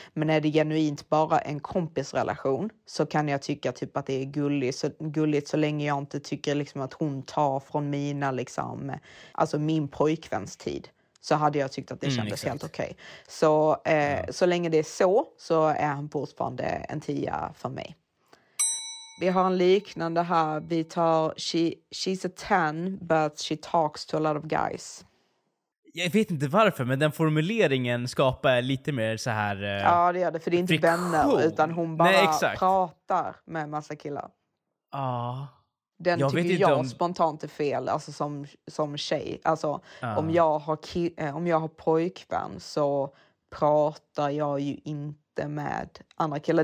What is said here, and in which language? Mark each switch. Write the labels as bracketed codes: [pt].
[sv] Men är det genuint bara en kompisrelation så kan jag tycka typ att det är gulligt så länge jag inte tycker liksom att hon tar från mina liksom, alltså min pojkväns tid, så hade jag tyckt att det kändes helt okej. Så så länge det är så är han fortfarande en tia för mig. Vi har en liknande här. Vi tar [en] she's a 10 but she talks to a lot of guys. [sv] Jag vet inte varför, men den formuleringen skapar lite mer så här... Ja, det gör det, för det är inte vänner, utan hon bara pratar med massa killar. Ja. Den jag tycker vet jag om... spontant är fel, alltså som tjej. Alltså, om jag har pojkvän så pratar jag ju inte med andra killar.